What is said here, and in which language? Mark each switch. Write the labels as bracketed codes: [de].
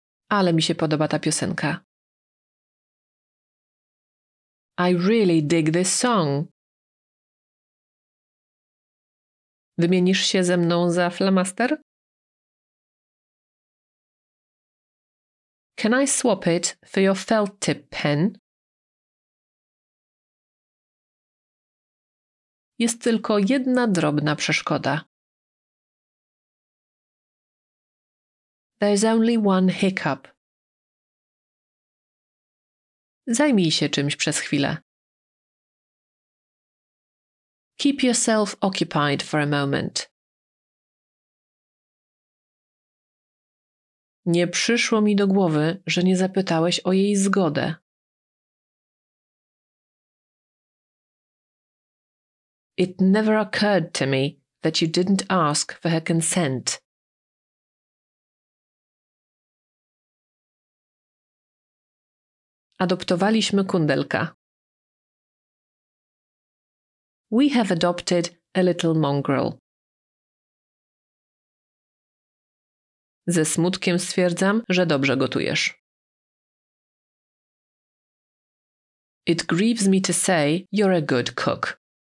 [pl] Ale mi się podoba ta piosenka. [en] I really dig this song. [pl] Wymienisz się ze mną za flamaster? [en] Can I swap it for your felt tip pen? [pl] Jest tylko jedna drobna przeszkoda. [en] There's only one hiccup. [pl] Zajmij się czymś przez chwilę. [en] Keep yourself occupied for a moment. [pl] Nie przyszło mi do głowy, że nie zapytałeś o jej zgodę. [en] It never occurred to me that you didn't ask for her consent. [pl] Adoptowaliśmy kundelka. [en] We have adopted a little mongrel. [pl] Ze smutkiem stwierdzam, że dobrze gotujesz. [en] It grieves me to say you're a good cook.